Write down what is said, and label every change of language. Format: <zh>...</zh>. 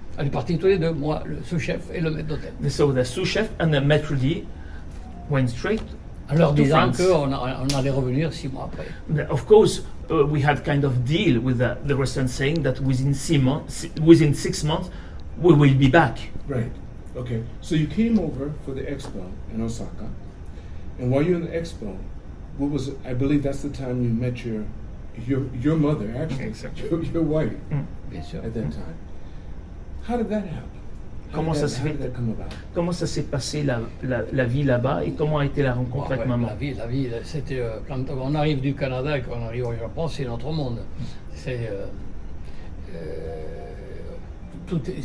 <fr>Elle est partie tous les deux, moi, le sous-chef et le maître d'hôtel.</fr> <en>So the sous-chef and the maître d' went straight.</en> <fr>En leur disant qu'on allait revenir 6 mois après.</fr> <en>Of course, we had kind of deal with the restaurant saying that within six months, we will be back. Right. Okay. So you came over for the expo in Osaka, and while you're in the expo, what was it? I believe that's the time you met your mother, actually, exactly. your wife,</en> <fr>bien sûr.</fr> <en>At that time. How did that happen?</en> <fr>Comment ça s'est passé la vie là-bas et comment a été la rencontre avec maman? La vie, c'était quand on arrive du Canada et qu'on arrive au Japon, c'est notre monde. C'est tout.</fr>